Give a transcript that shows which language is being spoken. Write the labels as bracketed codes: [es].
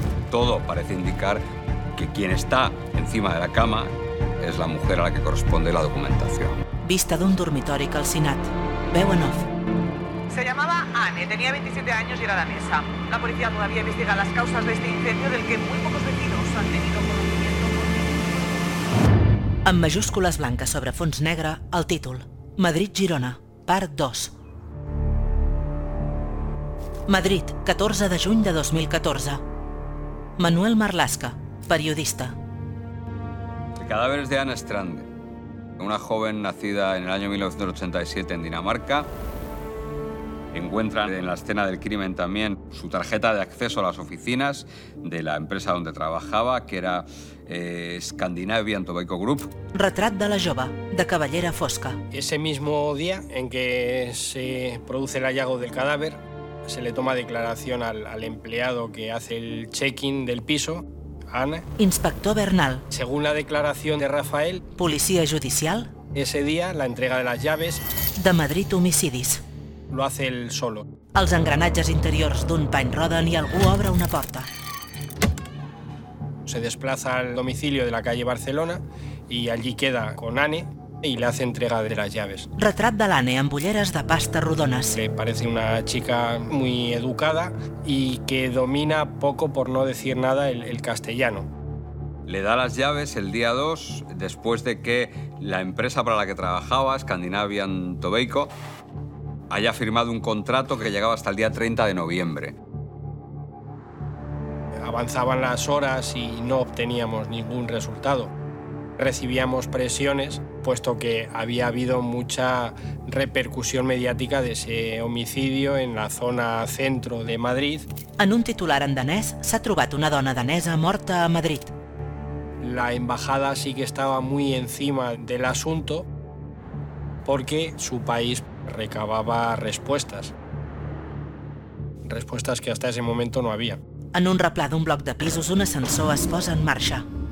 [es] Todo parece indicar que quien está encima de la cama es la mujer a la que corresponde la documentación. [ca] Vista d'un dormitori calcinat. Veu en off. [es] Se llamaba Anne, tenía 27 años y era danesa. La policía todavía investiga las causas de este incendio del que muy pocos vecinos han tenido conocimiento. [ca] En majúscules blanques sobre fons negre, el títol. Madrid-Girona, part 2. Madrid, 14 de juny de 2014. Manuel Marlaska, periodista. [es] El cadáver es de Anne Strand, una joven nacida en el año 1987 en Dinamarca. Encuentran en la escena del crimen también su tarjeta de acceso a las oficinas de la empresa donde trabajaba, que era Scandinavian Tobacco Group. [ca] Retrat de la jove, de cabellera fosca. [es] Ese mismo día en que se produce el hallazgo del cadáver, se le toma declaración al empleado que hace el check-in del piso, Ana. Inspector Bernal. Según la declaración de Rafael. Policía judicial. Ese día, la entrega de las llaves. [ca] De Madrid homicidis. [es] Lo hace él solo. [ca] Els engranatges interiors d'un pany roden i algú obre una porta. [es] Se desplaza al domicilio de la calle Barcelona y allí queda con Anne y le hace entrega de las llaves. [ca] Retrat de l'Anne amb ulleres de pasta rodones. [es] Le parece una chica muy educada y que domina poco, por no decir nada, el castellano. Le da las llaves el día 2 después de que la empresa para la que trabajaba, Scandinavian Tobacco, haya firmado un contrato que llegaba hasta el día 30 de noviembre. Avanzaban las horas y no obteníamos ningún resultado. Recibíamos presiones, puesto que había habido mucha repercusión mediática de ese homicidio en la zona centro de Madrid. [ca] En un titular en danés s'ha trobat una dona danesa morta a Madrid. [es] La embajada sí que estaba muy encima del asunto porque su país recababa respuestas. Respuestas que hasta ese momento no había. [ca] En un replà d'un bloc de pisos, un ascensor es posa en marxa.